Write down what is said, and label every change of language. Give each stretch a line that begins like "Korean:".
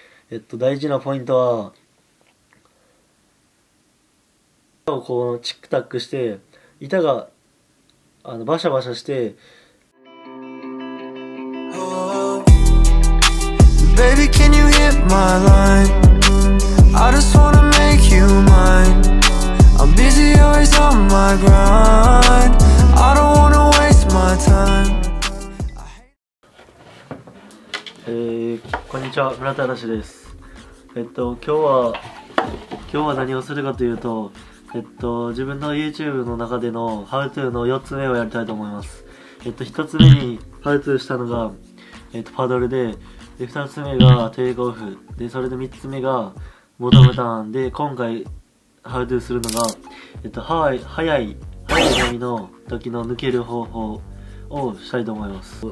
Japanese: 大事なポイントは、板をこうチックタックして、板がバシャバシャして、
English: Baby, can you hit my line? I just wanna make you mine. I'm busy always on my grind. I don't wanna waste my time.
Japanese: こんにちは、村田嵐です。今日は何をするかというと、自分の YouTube の中での How to の4つ目をやりたいと思います。 1つ目に How to したのが、パドルで、で2つ目がテイクオフで、それで3つ目がボトムターンで、今回ハウトゥーするのが、早い波の時の抜ける方法をしたいと思います。